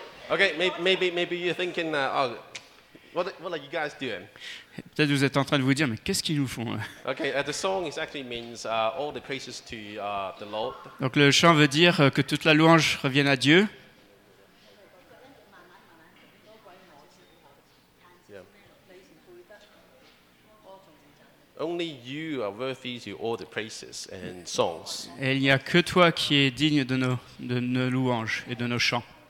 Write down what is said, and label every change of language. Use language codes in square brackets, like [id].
[en] Okay, maybe you're thinking, what are you guys doing? [fr] Peut-être vous êtes en train de vous dire, mais qu'est-ce qu'ils nous font? [en] Okay, the song is actually means all the praises to the Lord. [fr] Donc le chant veut dire que toute la louange revienne à Dieu. [en] Yeah. Only you are worthy to all the praises and songs. [fr] Et il n'y a que toi qui es digne de nos louanges et de nos chants.